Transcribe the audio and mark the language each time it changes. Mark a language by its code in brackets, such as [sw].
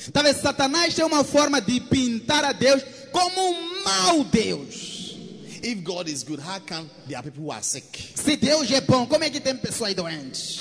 [pt] Talvez Satanás tenha uma forma de pintar a Deus como mau Deus. [en] If God is good, how come there are people who are sick? [pt] Se Deus é bom, como é que tem pessoas doentes?